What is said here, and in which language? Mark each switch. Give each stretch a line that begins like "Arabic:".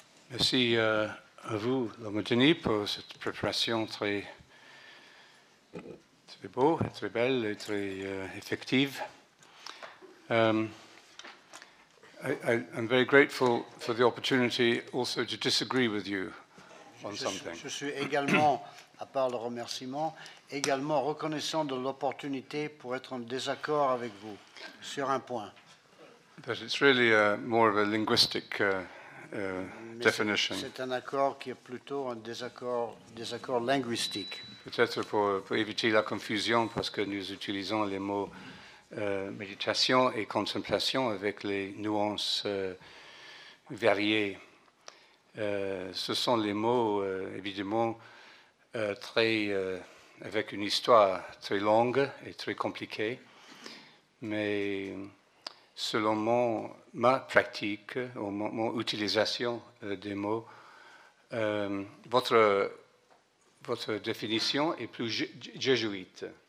French: Merci à vous, Lomotini, pour cette préparation très, très beau, très belle et très effective.
English: I'm very grateful for the opportunity also to disagree with you on something.
French: Je suis également, à part le remerciement, également reconnaissant de l'opportunité pour être en désaccord avec vous sur un point.
English: But it's really more of a linguistic definition.
French: C'est un accord qui est plutôt un désaccord linguistique. Peut-être pour éviter la confusion, parce que nous utilisons les mots méditation et contemplation avec les nuances variées. Ce sont les mots, évidemment, très avec une histoire très longue et très compliquée, mais selon ma pratique, ou mon utilisation des mots, votre définition est plus jésuite.